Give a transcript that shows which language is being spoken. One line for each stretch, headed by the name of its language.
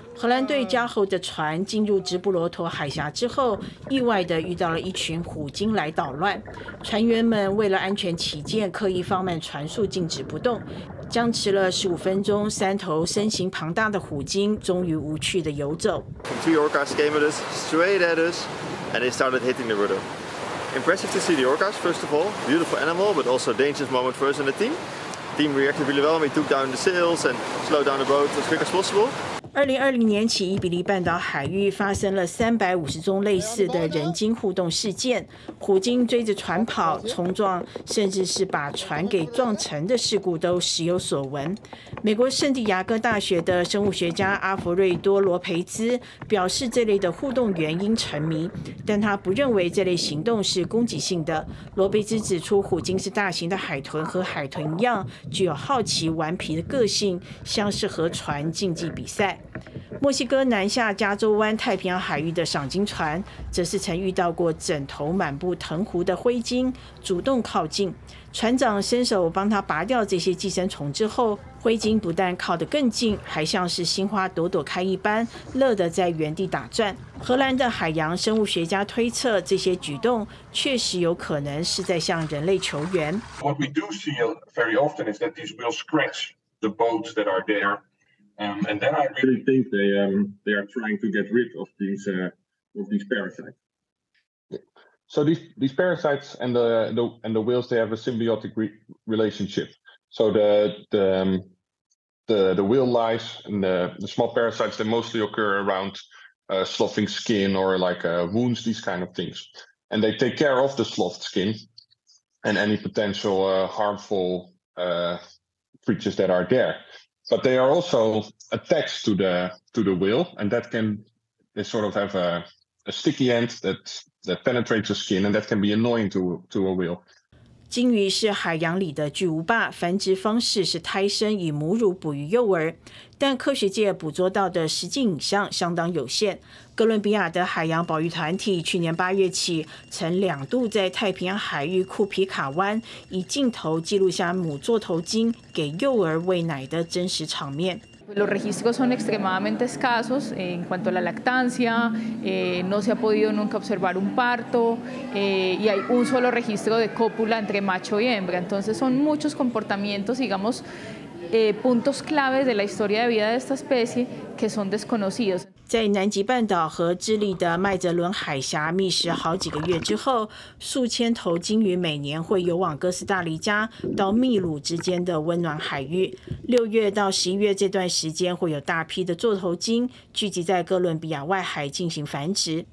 Chinese: 荷兰队加厚的船进入直布罗陀海峡之后，意外地遇到了一群虎鲸来捣乱。船员们为了安全起见，刻意放慢船速，静止不动，僵持了十五分钟。三头身形庞大的虎鲸终于无趣地游走。
English: Two orcas came at us, straight at us. And they started hitting the rudder. Impressive to see the orcas, first of all. Beautiful animal, but also a dangerous moment for us and the team. The team reacted really well. We took down the sails and slowed down the boat as quick as possible.
Chinese: 2020年起，伊比利半岛海域发生了350宗类似的人鲸互动事件，虎鲸追着船跑、冲撞，甚至是把船给撞沉的事故都时有所闻。美国圣地亚哥大学的生物学家阿弗瑞多·罗培兹表示，这类的互动原因沉迷，但他不认为这类行动是攻击性的。罗培兹指出，虎鲸是大型的海豚，和海豚一样具有好奇、顽皮的个性，像是和船竞技比赛。墨西哥南下加州湾太平洋海域的赏鲸船，则是曾遇到过枕头满布藤壶的灰鲸主动靠近，船长伸手帮他拔掉这些寄生虫之后，灰鲸不但靠得更近，还像是心花朵朵开一般，乐得在原地打转。荷兰的海洋生物学家推测，这些举动确实有可能是在向人类求援。
English: What we do see very often is that these will scratch the boats that are there, and then I really think they are trying to get rid of these parasites. So these parasites and the whales, they have a symbiotic relationship. So the whale lice and the small parasites, they mostly occur around sloughing skin or like wounds, these kind of things. And they take care of the sloughed skin and any potential harmful creatures that are there. But they are also attached to the whale, and that can they sort of have a sticky end that penetrates the skin, and that can be annoying to a whale.
Chinese: 鲸鱼是海洋里的巨无霸，繁殖方式是胎生以母乳哺育幼儿，但科学界捕捉到的实际影像相当有限。哥伦比亚的海洋保育团体去年八月起曾两度在太平洋海域库皮卡湾以镜头记录下母座头鲸给幼儿喂奶的真实场面。
Spanish: Los registros son extremadamente escasos en cuanto a la lactancia, no se ha podido nunca observar un parto, y hay un solo registro de cópula entre macho y hembra. Entonces son muchos comportamientos, digamos, puntos claves de la historia de vida de esta especie que son desconocidos.
Chinese: 在南极半岛和智利的麦哲伦海峡觅食好几个月之后，数千头鲸鱼每年会游往哥斯达黎加到秘鲁之间的温暖海域。六月到十一月这段时间，会有大批的座头鲸聚集在哥伦比亚外海进行繁殖。